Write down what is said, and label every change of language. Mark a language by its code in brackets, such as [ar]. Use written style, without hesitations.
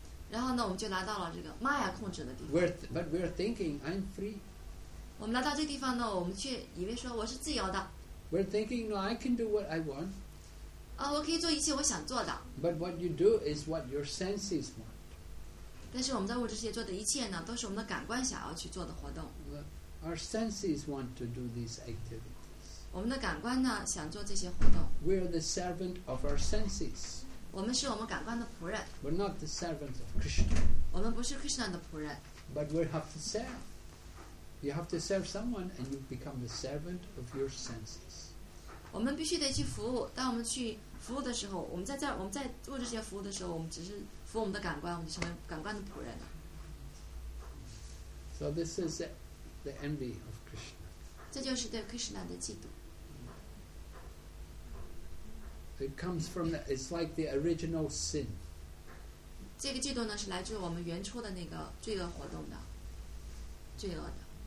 [zh] 然后呢，我们就来到了这个 Maya 控制的地方。 [en] But we're thinking I'm free. [zh] 我们来到这地方呢，我们却以为说我是自由的。 [en] We're thinking, no, I can do what I want. [zh] 啊，我可以做一切我想做的。 [en] But what you do is what your senses want. [zh] 但是我们在物质世界做的一切呢，都是我们的感官想要去做的活动。 [en] Our senses want to do these activities. [zh] 我们的感官呢，想做这些活动。 [en] We're the servant of our senses. [zh] 我们是我们感官的仆人。 [en] We're not the servant of Krishna. [zh] 我们不是 Krishna 的仆人。 [en] But we have to serve. You have to serve someone, and you become the servant of your senses. [zh] 我们必须得去服务。当我们去服务的时候，我们在这儿，我们在物质世界服务的时候，我们只是服务我们的感官，我们就成为感官的仆人了。 [en] So this is the envy of Krishna. [zh] 这就是对 Krishna 的嫉妒。 [en] It comes from the, it's like the original sin. [zh] 这个嫉妒呢，是来自我们原初的那个罪恶活动的，罪恶的。